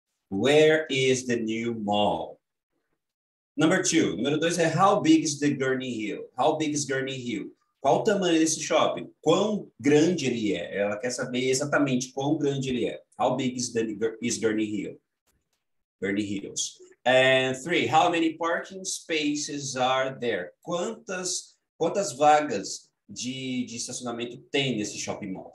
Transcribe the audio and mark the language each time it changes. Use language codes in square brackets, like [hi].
[en] Where is the new mall? Number two. [pt] Número dois é [en] how big is the Gurney Hill? How big is Gurney Hill? [pt] Qual o tamanho desse shopping? Quão grande ele é? Ela quer saber exatamente quão grande ele é. [en] How big is Gurney Hill? Gurney Hills. And three, how many parking spaces are there? [pt] Quantas vagas de estacionamento tem nesse shopping mall?